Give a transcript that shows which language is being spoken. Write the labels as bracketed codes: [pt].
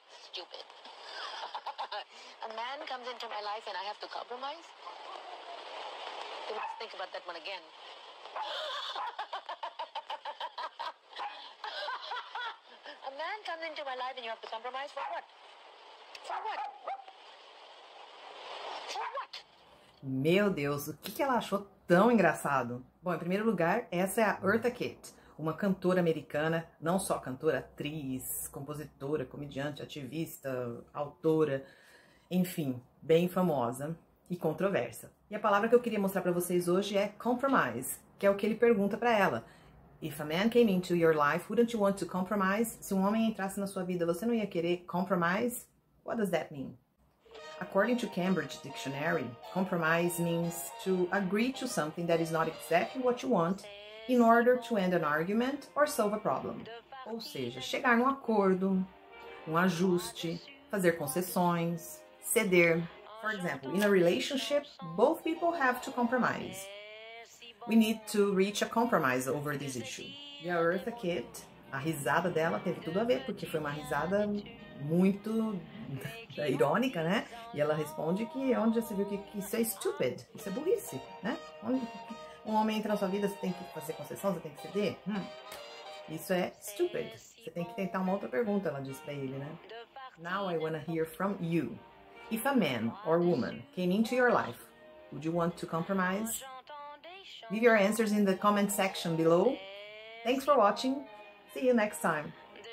[en] Stupid. A man comes into my life and I have to compromise? You must think about that one again. A man comes into my life and you have to compromise? For what? For what? For what? [pt] Meu Deus, o que ela achou tão engraçado? Bom, em primeiro lugar, essa é a Eartha Kitt, uma cantora americana, não só cantora, atriz, compositora, comediante, ativista, autora, enfim, bem famosa e controversa. E a palavra que eu queria mostrar para vocês hoje é compromise, que é o que ele pergunta para ela. [en] If a man came into your life, wouldn't you want to compromise? [pt] Se um homem entrasse na sua vida, você não ia querer compromise? [en] What does that mean? According to Cambridge Dictionary, compromise means to agree to something that is not exactly what you want in order to end an argument or solve a problem. [pt] Ou seja, chegar a um acordo, um ajuste, fazer concessões, ceder. [en] For example, in a relationship, both people have to compromise. We need to reach a compromise over this issue. [pt] E a Eartha Kitt, a risada dela teve tudo a ver, porque foi uma risada muito irônica, né? E ela responde que onde já se viu que isso é stupid, isso é burrice, né? Um homem entra na sua vida, você tem que fazer concessão, você tem que ceder? Isso é stupid. Você tem que tentar uma outra pergunta, ela disse pra ele, né? [en] Now I wanna hear from you. If a man or woman came into your life, would you want to compromise? Leave your answers in the comment section below. Thanks for watching. See you next time.